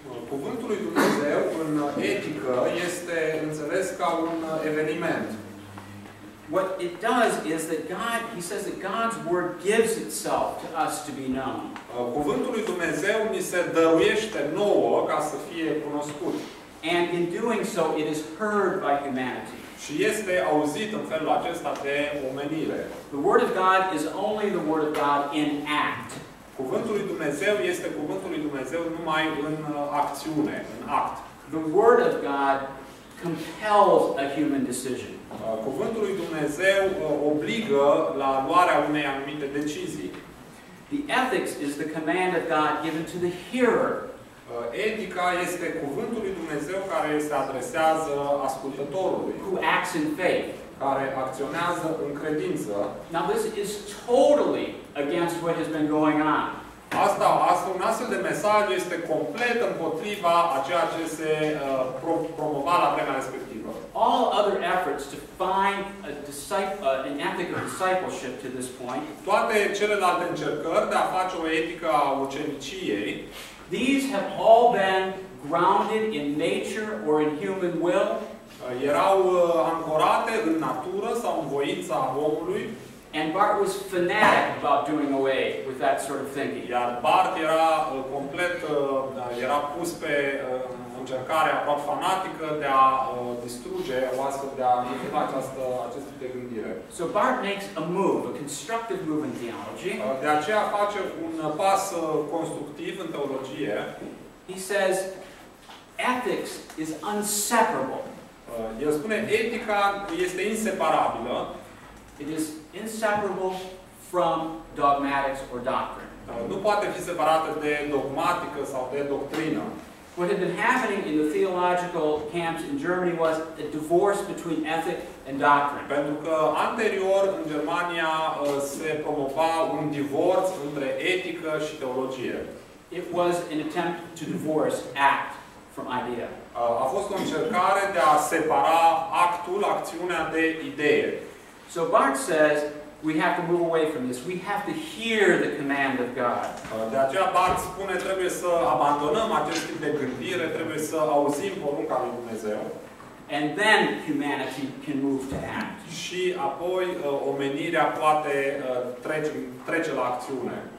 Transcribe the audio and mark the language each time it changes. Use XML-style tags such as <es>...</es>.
<ro>Cuvântul lui Dumnezeu în etică este înțeles ca un eveniment.</ro> <en>What it does is that God, he says that God's word gives itself to us to be known.</en> <ro>Cuvântul lui Dumnezeu ni se dăruiește nouă ca să fie cunoscut.</ro> <en>And in doing so, it is heard by humanity.</en> <ro>Și este auzit în felul acesta de omenire.</ro> <en>The word of God is only the word of God in act.</en> <ro>Cuvântul lui Dumnezeu este cuvântul lui Dumnezeu numai în acțiune, în act.</ro> <en>The word of God compels a human decision.</en> <ro>Cuvântul lui Dumnezeu obligă la luarea unei anumite decizii.</ro> <en>The ethics is the command of God given to the hearer.</en> <ro>Etica este cuvântul lui Dumnezeu care se adresează ascultătorului.</ro> <en>Who acts in faith.</en> <ro>Care acționează în credință.</ro> <en>Now this is totally against what has been going on.</en> <ro>Un astfel de mesaj este complet împotriva a ceea ce se promova la vremea respectivă.</ro> <en>All other efforts to find an ethic of discipleship to this point.</en> <ro>Toate celelalte încercări de a face o etică a uceniciei.</ro> <en>These have all been grounded in nature or in human will.</en> <ro>Erau ancorate în natură sau în voința omului.</ro> <en>And Bart was fanatic about doing away with that sort of thinking.</en> <ro>Iar Bart era complet, era pus pe încercare aproape fanatică de a distruge o astfel de a întâmpla acest tip de gândire.</ro> <en>So Bart makes a move, a constructive move in theology.</en> <ro>De aceea face un pas constructiv în teologie.</ro> <en>He says, ethics is inseparable.</en> <ro>El spune, etica este inseparabilă.</ro> <en>It is inseparable from dogmatics or doctrine.</en> <ro>Nu poate fi separată de dogmatică sau de doctrină.</ro> <en>What had been happening in the theological camps in Germany was a divorce between ethic and doctrine.</en> <ro>Pentru că anterior în Germania se promova un divorț între etică și teologie.</ro> <en>It was an attempt to divorce act from idea.</en> <ro>A fost o încercare de a separa actul, acțiunea de idee.</ro> <en>So Bart says, we have to move away from this. We have to hear the command of God.</en> <ro>De aceea Bart spune, trebuie să abandonăm acest tip de gândire, trebuie să auzim porunca lui Dumnezeu.</ro> <en>And then humanity can move to act.</en> <ro>Și apoi omenirea poate trece la acțiune.</ro>